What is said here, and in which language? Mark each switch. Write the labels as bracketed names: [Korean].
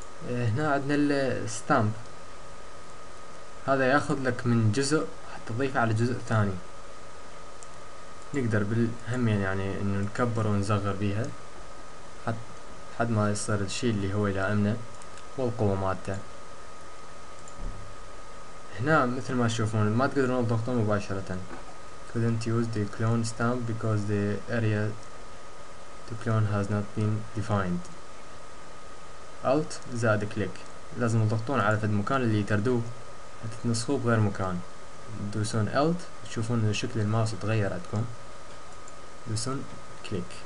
[Arabic] هنا عندنا الستامب، هذا ياخذ لك من جزء حتى تضيفه على جزء ثاني. نقدر بالهمين يعني انه نكبر ونصغر بيها حد ما يصير الشيء اللي هو يلائمنا والقوة مالته. هنا مثل ما تشوفون ما تقدرون تضغطون مباشرة. [English] couldn't use the clone stamp because the area to clone has not been defined. [Arabic] Alt زائد كليك، لازم تضغطون على فد مكان اللي تردوه حتى تنسخوه بغير مكان. تدوسون Alt تشوفون ان شكل الماوس تغير عندكم، تدوسون كليك.